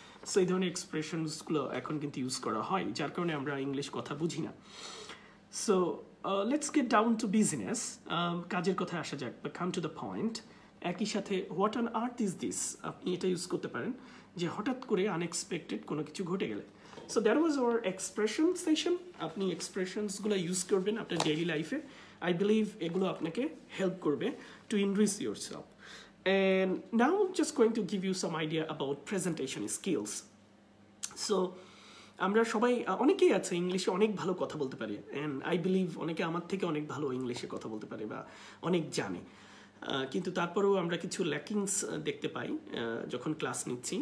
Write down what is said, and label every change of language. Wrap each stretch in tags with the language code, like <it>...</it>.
<bn>So এই ধরনের এক্সপ্রেশনসগুলো এখন কিন্তু ইউজ করা হয় যার কারণে আমরা ইংলিশ কথা বুঝি না। So</bn> <en>let's get down to business,</en> <bn>কাজের কথায় আসা যাক,</bn> <en>But come to the point.</en> <bn>একই সাথে</bn> <en>what on earth is this,</en> <bn>আপনি এটা ইউজ করতে পারেন যে হঠাৎ করে আনএক্সপেক্টেড কোনো কিছু ঘটে গেলে।</bn> <en>So that was our expression session.</en> <bn>আপনি এক্সপ্রেশনস গুলো ইউজ করবেন আপনার ডেইলি লাইফে, আই বিলিভ এগুলো আপনাকে হেল্প করবে</bn> <en>To increase your self. And now just going to give you some idea about presentation skills.</en> <bn>So আমরা সবাই অনেকেই আছে ইংলিশে অনেক ভালো কথা বলতে পারি,</bn> <en>and I believe</en> <bn>অনেকে আমার থেকে অনেক ভালো ইংলিশে কথা বলতে পারে বা অনেক জানে, কিন্তু তারপরেও আমরা কিছু ল্যাকিংস দেখতে পাই যখন ক্লাস নিচ্ছি।</bn>